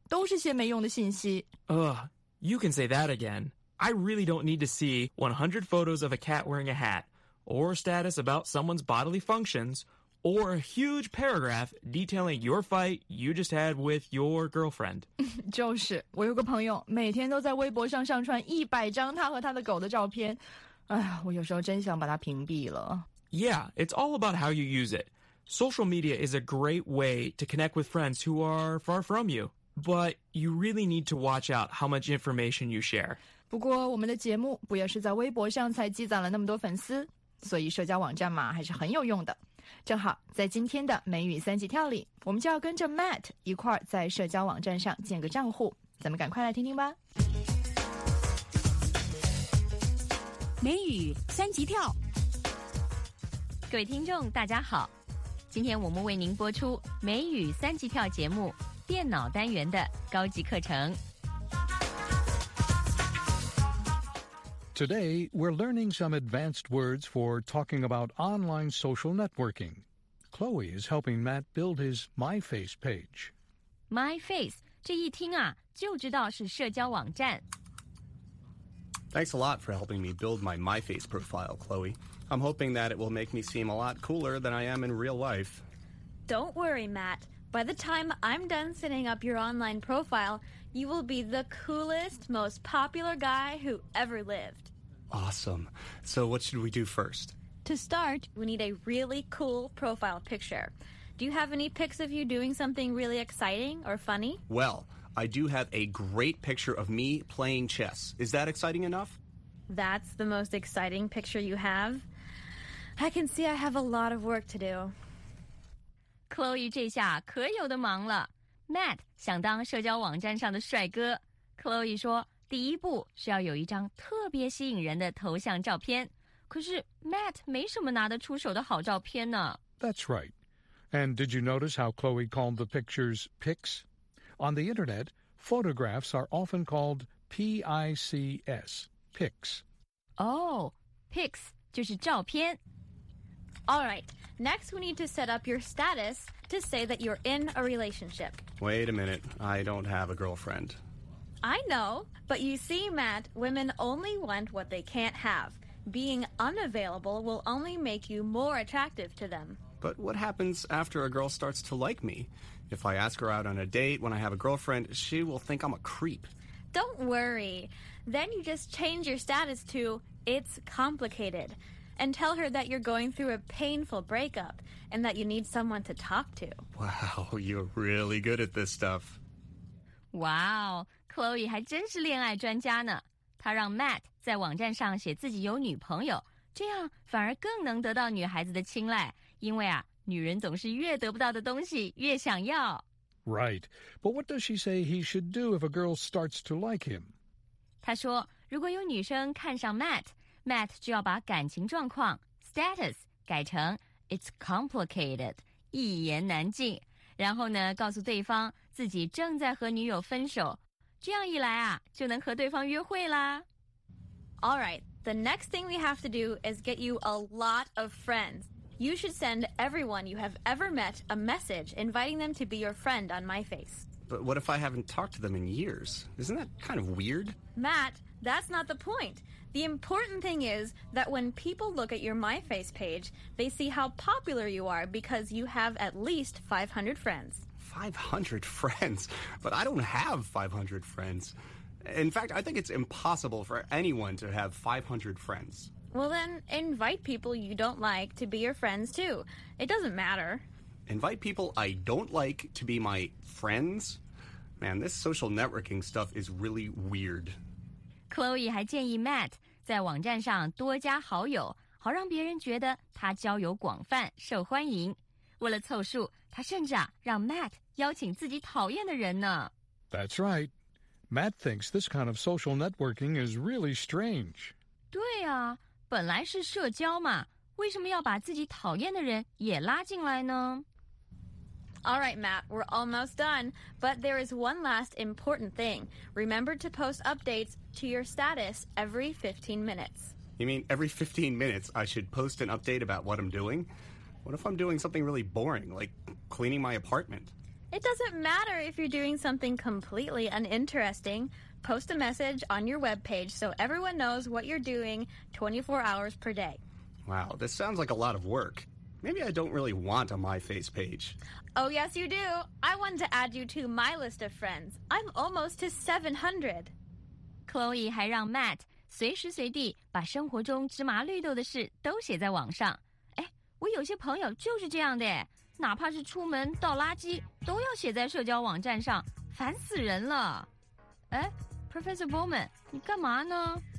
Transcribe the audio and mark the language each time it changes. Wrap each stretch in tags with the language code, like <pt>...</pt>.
<zh>都是些没用的信息。</zh> <en>Ugh, you can say that again. I really don't need to see 100 photos of a cat wearing a hat, or status about someone's bodily functions, or a huge paragraph detailing your fight you just had with your girlfriend.</en> <zh>就是，我有个朋友每天都在微博上上传100张他和他的狗的照片。哎，我有时候真想把他屏蔽了。</zh> <en>Yeah, it's all about how you use it. Social media is a great way to connect with friends who are far from you. But you really need to watch out how much information you share.</en> <zh>不过我们的节目不也是在微博上才积攒了那么多粉丝？所以社交网站嘛，还是很有用的。正好在今天的美语三级跳里，我们就要跟着 Matt 一块儿在社交网站上建个账户，咱们赶快来听听吧。美语三级跳，各位听众大家好，今天我们为您播出美语三级跳节目电脑单元的高级课程。</zh> <en>Today, we're learning some advanced words for talking about online social networking. Chloe is helping Matt build his MyFace page.</en> <zh>MyFace, 这一听啊，就知道是社交网站。</zh> <en>Thanks a lot for helping me build my MyFace profile, Chloe. I'm hoping that it will make me seem a lot cooler than I am in real life. Don't worry, Matt. By the time I'm done setting up your online profile... You will be the coolest, most popular guy who ever lived. Awesome. So what should we do first? To start, we need a really cool profile picture. Do you have any pics of you doing something really exciting or funny? Well, I do have a great picture of me playing chess. Is that exciting enough? That's the most exciting picture you have? I can see I have a lot of work to do.</en> <zh>Chloe 这下可有的忙了。Matt 想当社交网站上的帅哥。 Chloe 说，第一步是要有一张特别吸引人的头像照片。可是 Matt 没什么拿得出手的好照片呢。</zh> <en>That's right. And did you notice how Chloe called the pictures pics? On the internet, photographs are often called P-I-C-S, pics.</en> <zh>Oh, pics 就是照片。</zh> <en>All right, next we need to set up your status to say that you're in a relationship. Wait a minute, I don't have a girlfriend. I know, but you see, Matt, women only want what they can't have. Being unavailable will only make you more attractive to them. But what happens after a girl starts to like me? If I ask her out on a date when I have a girlfriend, she will think I'm a creep. Don't worry. Then you just change your status to, it's complicated. And tell her that you're going through a painful breakup and that you need someone to talk to. Wow, you're really good at this stuff.</en> <zh>Wow, Chloe 还真是恋爱专家呢。她让 Matt 在网站上写自己有女朋友，这样反而更能得到女孩子的青睐，因为啊，女人总是越得不到的东西越想要。</zh> <en>Right, but what does she say he should do if a girl starts to like him?</en> <zh>她说，如果有女生看上 Matt,Matt 就要把感情状况 status 改成</zh> <en>it's complicated</en> <zh>一言难尽，然后呢告诉对方自己正在和女友分手，这样一来啊就能和对方约会啦。</zh> <en>All right, the next thing we have to do is get you a lot of friends. You should send everyone you have ever met a message inviting them to be your friend on my face. But what if I haven't talked to them in years? Isn't that kind of weird? Matt, that's not the point. The important thing is that when people look at your MyFace page, they see how popular you are because you have at least 500 friends. 500 friends? But I don't have 500 friends. In fact, I think it's impossible for anyone to have 500 friends. Well then, invite people you don't like to be your friends too. It doesn't matter. Invite people I don't like to be my friends? Man, this social networking stuff is really weird.</en> <zh>Chloe 还建议 Matt 在网站上多加好友，好让别人觉得他交友广泛、受欢迎。为了凑数，他甚至啊让 Matt 邀请自己讨厌的人呢。</zh> <en>That's right. Matt thinks this kind of social networking is really strange.</en> <zh>对啊，本来是社交嘛，为什么要把自己讨厌的人也拉进来呢？</zh> <en>All right, Matt, we're almost done. But there is one last important thing. Remember to post updates. To your status every 15 minutes. You mean every 15 minutes I should post an update about what I'm doing? What if I'm doing something really boring, like cleaning my apartment? It doesn't matter if you're doing something completely uninteresting. Post a message on your webpage so everyone knows what you're doing 24 hours per day. Wow, this sounds like a lot of work. Maybe I don't really want a MyFace page. Oh, yes, you do. I wanted to add you to my list of friends. I'm almost to 700.</en> <zh>Chloe 还让 Matt 随时随地把生活中芝麻绿豆的事都写在网上。哎，我有些朋友就是这样的，哪怕是出门倒垃圾都要写在社交网站上，烦死人了。哎 ，Professor Bowman， 你干嘛呢</zh>